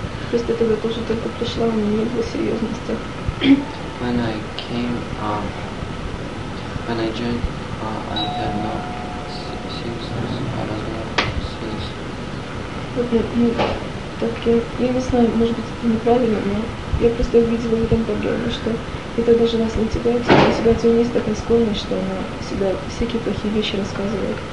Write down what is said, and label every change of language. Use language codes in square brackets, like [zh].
[ru] Просто тогда тоже только пришла, у меня не было серьезности. [en] When I came, when I joined, I had no seriousness. I was not serious. [ru] Я не знаю, может быть, это неправильно, но я просто увидела в этом проблему, что это даже нас не тягает, и у себя у нее есть такая склонность, что она всегда всякие плохие вещи рассказывает.